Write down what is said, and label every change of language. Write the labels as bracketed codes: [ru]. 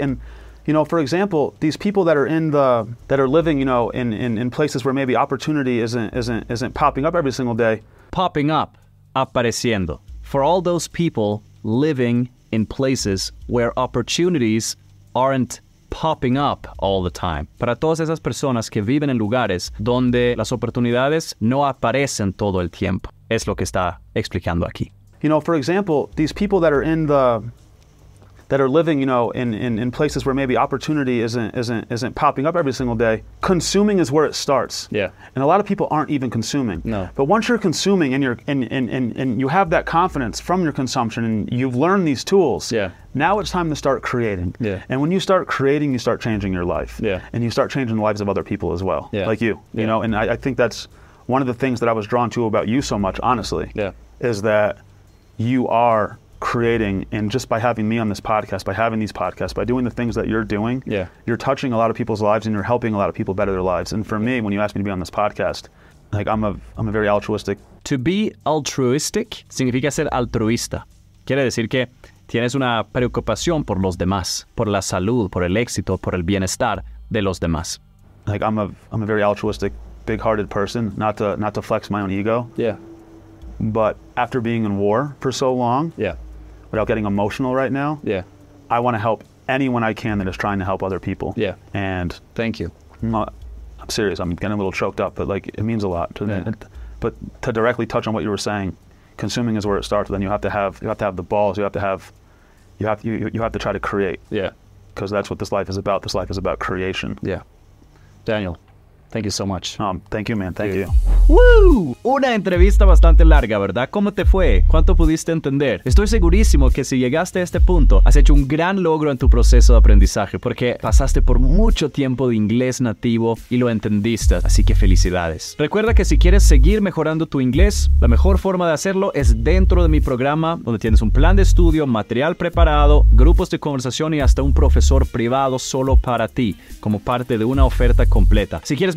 [en] And, you know, for example, these people that are living, you know, in places where maybe opportunity isn't popping up every single day. Popping up, [es] apareciendo. [en] For all those people living in places where opportunities aren't popping up all the time. [es] Para todas esas personas que viven en lugares donde las oportunidades no aparecen todo el tiempo. Es lo que está explicando aquí. [en] You know, for example, these people that are living, you know, in places where maybe opportunity isn't popping up every single day, consuming is where it starts. Yeah. And a lot of people aren't even consuming. No. But once you're consuming and you have that confidence from your consumption and you've learned these tools, now it's time to start creating. Yeah. And when you start creating, you start changing your life. Yeah. And you start changing the lives of other people as well. Yeah. Like you. Yeah. You know, and I think that's one of the things that I was drawn to about you so much, honestly. Yeah. Is that you are creating, and just by having me on this podcast, by having these podcasts, by doing the things that you're doing, you're touching a lot of people's lives and you're helping a lot of people better their lives. And for me, when you asked me to be on this podcast, like, I'm a very altruistic. To be altruistic [es] significa ser altruista. Quiere decir que tienes una preocupación por los demás, por la salud, por el éxito, por el bienestar de los demás. [en] Like, I'm a very altruistic, big-hearted person, not to flex my own ego. Yeah. But after being in war for so long, without getting emotional right now, I want to help anyone I can that is trying to help other people. Yeah. And thank you. I'm serious. I'm getting a little choked up, but like, it means a lot. But to directly touch on what you were saying, consuming is where it starts. Then you have to have the balls. You have to try to create. Yeah. Because that's what this life is about. This life is about creation. Yeah. Daniel. Thank you so much. Thank you, man. Thank you. ¡Woo! [es] Una entrevista bastante larga, ¿verdad? ¿Cómo te fue? ¿Cuánto pudiste entender? Estoy segurísimo que si llegaste a este punto, has hecho un gran logro en tu proceso de aprendizaje, porque pasaste por mucho tiempo de inglés nativo y lo entendiste. Así que felicidades. Recuerda que si quieres seguir mejorando tu inglés, la mejor forma de hacerlo es dentro de mi programa, donde tienes un plan de estudio, material preparado, grupos de conversación y hasta un profesor privado solo para ti, como parte de una oferta completa. Si quieres